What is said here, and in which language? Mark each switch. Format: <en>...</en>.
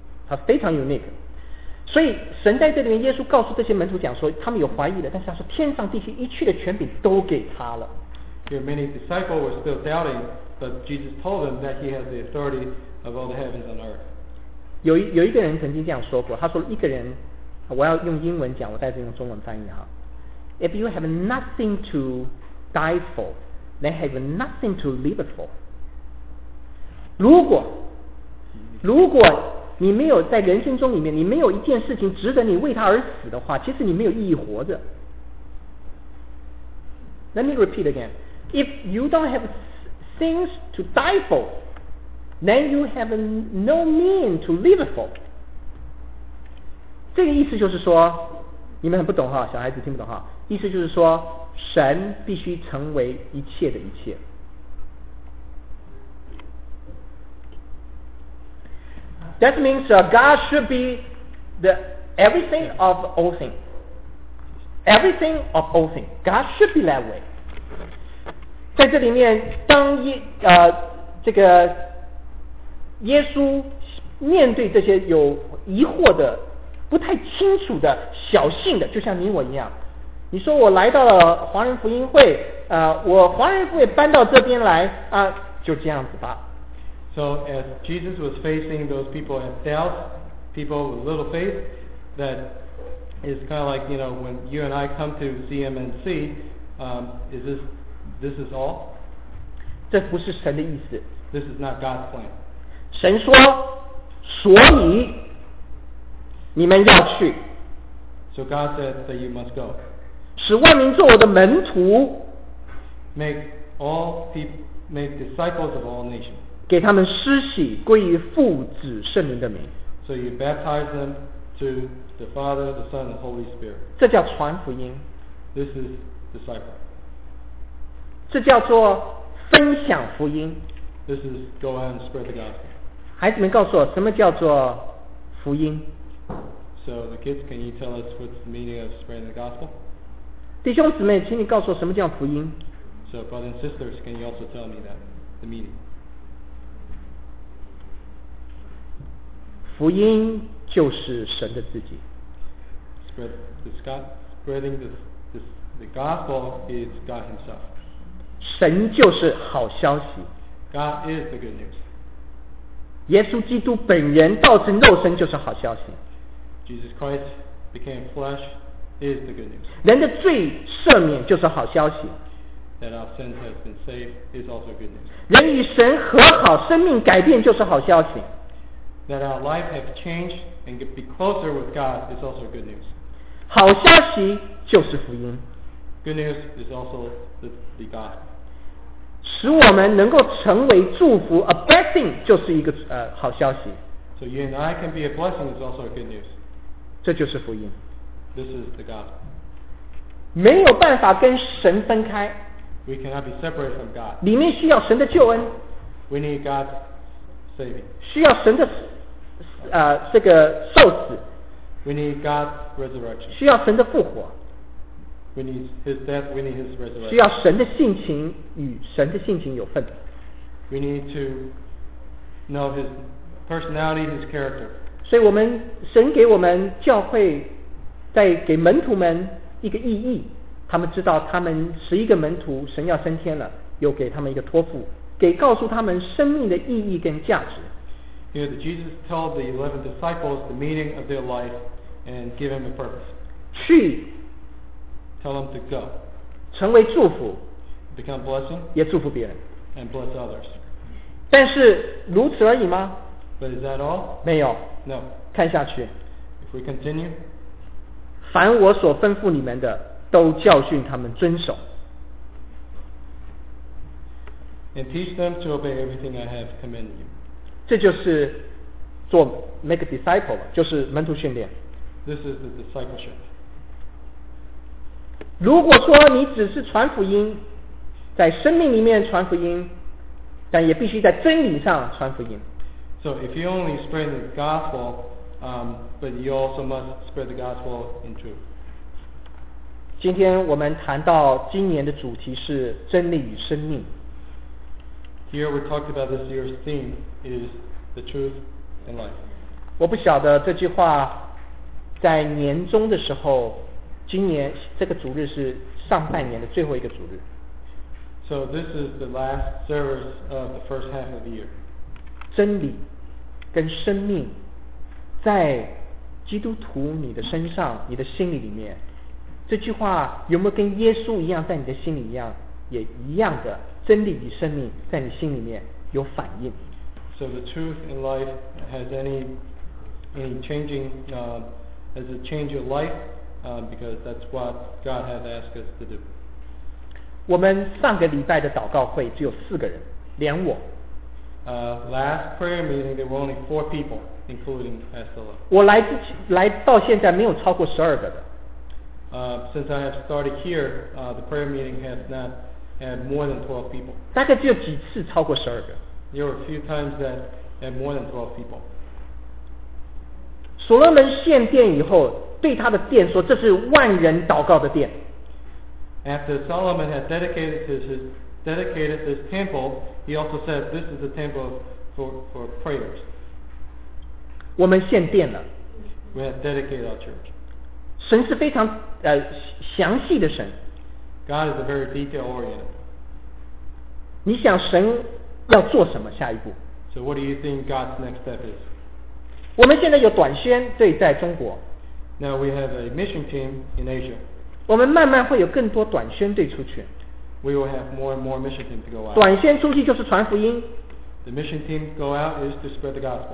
<zh>他非常 unique 所以神在这里面耶稣告诉这些门徒讲说他们有怀疑的但是他说天上地下一切的权柄都给他了</zh> <en>here many disciples were still doubting but Jesus told them that he has the authority of all the heavens and earth</en> <zh>有一个人曾经这样说过他说一个人我要用英文讲我带着用中文翻译哈</zh> <en>If you have nothing to die for, then have nothing to live for.</en> <zh>如果你没有在人生中里面，你没有一件事情值得你为他而死的话，其实你没有意义活着。</zh> <en>Let me repeat again. If you don't have things to die for, then you have no mean to live for.</en> <zh>这个意思就是说，你们很不懂哈，小孩子听不懂哈，意思就是说神必须成为一切的一切。</zh> <en>That means God should be the everything of all things. Everything of all things. God should be that way.</en> <zh>在这里面，当这个耶稣面对这些有疑惑的、不太清楚的小信的，就像你我一样，你说我来到了华人福音会，我华人福音搬到这边来啊，就这样子吧。</zh> <en>So as Jesus was facing those people in doubt, people with little faith, that is kind of like, you know, when you and I come to CMNC, is this all?</en> <zh>这不是神的意思。</zh> <en>This is not God's plan.</en> <zh>神说，所以你们要去。</zh> <en>So God said that you must go.</en> <zh>使万民做我的门徒。</zh> <en>Make disciples of all nations.</en> <zh>给他们施洗归于父子圣灵的名。</zh> <en>So you baptize them to the Father, the Son, and the Holy Spirit.</en> <zh>这叫传福音。</zh> <en>This is disciple.</en> <zh>这叫做分享福音。</zh> <en>This is go out and spread the gospel.</en> <zh>孩子们告诉我什么叫做福音。</zh> <en>So the kids, can you tell us what's the meaning of spreading the gospel?</en> <zh>弟兄姊妹，请你告诉我什么叫福音。</zh> <en>So brothers and sisters, can you also tell me that, the meaning?</en> <zh>福音就是神的自己。</zh> <en>Spreading the gospel is God Himself.</en> <zh>神就是好消息。</zh> <en>God is the good news.</en> <zh>耶稣基督本人道成肉身就是好消息。</zh> <en>Jesus Christ became flesh is the good news.</en> <zh>人的罪赦免就是好消息。</zh> <en>That our sins have been saved is also good news.</en> <zh>人与神和好，生命改变就是好消息。</zh> <en>That our life has changed and be closer with God is also good news.</en> <zh>好消息就是福音。</zh> <en>Good news is also the God.</en> <zh>使我们能够成为祝福 ，</zh> <en>a blessing</en> <zh>就是一个好消息。</zh> <en>So you and I can be a blessing is also a good news.</en> <zh>这就是福音。</zh> <en>This is the God.</en> <zh>没有办法跟神分开。</zh> <en>We cannot be separated from God.</en> <zh>里面需要神的救恩。</zh> <en>We need God.</en> <zh>需要神的这个受死。</zh> <en>We need God's resurrection.</en> <zh>需要神的复活。</zh> <en>We need His death. We need His resurrection.</en> <zh>需要神的性情与神的性情有份。</zh> <en>We need to know His personality, His character.</en> <zh>所以我们神给我们教会，在给门徒们一个意义，他们知道他们十一个门徒神要升天了，又给他们一个托付。给告诉他们生命的意义跟价值。</zh> <en>You know, Jesus told the 11 disciples the meaning of their life and give them a purpose.</en> <zh>去。</zh> <en>Tell them to go.</en> <zh>成为祝福。</zh> <en>Become blessing.</en> <zh>也祝福别人。</zh> <en>And bless others.</en> <zh>但是如此而已吗？</zh> <en>But is that all?</en> <zh>没有。</zh> <en>No.</en> <zh>看下去。</zh> <en>If we continue.</en> <zh>凡我所吩咐你们的，都教训他们遵守。</zh> <en>And teach them to obey everything I have commanded you.</en> <zh>这就是做</zh> <en>make a disciple,</en> <zh>就是门徒训练。</zh> <en>This is the discipleship.</en> <zh>如果说你只是传福音，在生命里面传福音，但也必须在真理上传福音。</zh> <en>So if you only spread the gospel, but you also must spread the gospel in truth.</en> <zh>今天我们谈到今年的主题是真理与生命。</zh> <en>Here we talked about this year's theme is the truth and life.</en> <zh>我不晓得这句话在年终的时候，今年这个主日是上半年的最后一个主日。</zh> <en>So this is the last service of the first half of the year.</en> <zh>真理跟生命在基督徒你的身上，你的心里面，这句话有没有跟耶稣一样，在你的心里一样，也一样的？真理与生命在你心里面有反应。</zh> <en>So the truth in life has any changing, has it changed your life? Because that's what God has asked us to do.</en> <zh>我们上个礼拜的祷告会只有四个人，连我。</zh> <en>Last prayer meeting, there were only four people, including Estella.</en> <zh>我 来到现在没有超过十二个的。</zh> <en>Since I have started here, the prayer meeting has not had more than 12 people.</en> <zh>大概只有几次超过十二个。</zh> <en>There were a few times that had more than 12 people.</en> <zh>所罗门献殿以后，对他的殿说，这是万人祷告的殿。</zh> <en>After Solomon had dedicated this temple, he also said, this is the temple for prayers.</en> <zh>我们献殿了。</zh> <en>We have dedicated our church.</en> <zh>神是非常详细的神。</zh> <en>God is a very detail-oriented.</en> <zh>你想神要做什么下一步？</zh> <en>So what do you think God's next step is?</en> <zh>我们现在有短宣队在中国。</zh> <en>Now we have a mission team in Asia.</en> <zh>我们慢慢会有更多短宣队出去。</zh> <en>We will have more and more mission team to go out.</en> <zh>短宣出去就是传福音。</zh> <en>The mission team go out is to spread the gospel.</en>